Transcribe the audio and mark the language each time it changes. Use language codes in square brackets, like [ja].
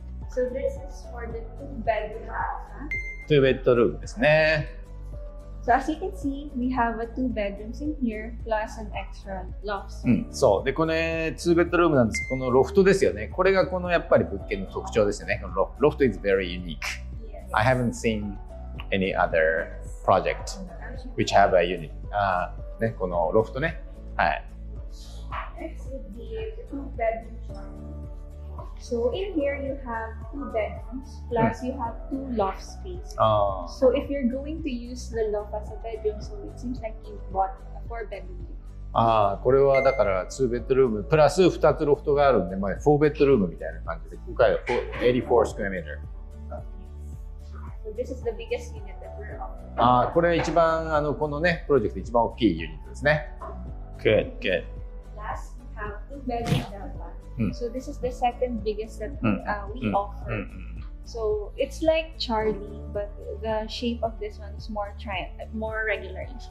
[en] So this is for the two-bedroom house. Two-bedroom [ja] ですね。 [en] So as you can see, we have a two bedrooms in here plus an extra loft. [ja] そう。で、これ、two bedroom なんですけど、このロフトですよね。これがこのやっぱり物件の特徴ですよね。このロフト [en] is very unique. Yes. I haven't seen any other project which have a unit. [ja] ね、このロフトね。はい。 [en] Next is the two-bedroom house. So in here you have two bedrooms plus you have two loft spaces. So if you're going to use the loft as a bedroom, so it seems like you bought a four bedroom unit. [ja] これはだから2ベッドルームプラス2つロフトがあるんで、まあ4ベッドルームみたいな感じで、今回は [en] 84 square meter. So this is the biggest unit that we're offering. [ja] これ一番このね、プロジェクト一番大きいユニットですね。 [en] Good, good. Last, you have two bedrooms down there. So this is the second biggest that we offer. So it's like Charlie, but the shape of this one is more regular.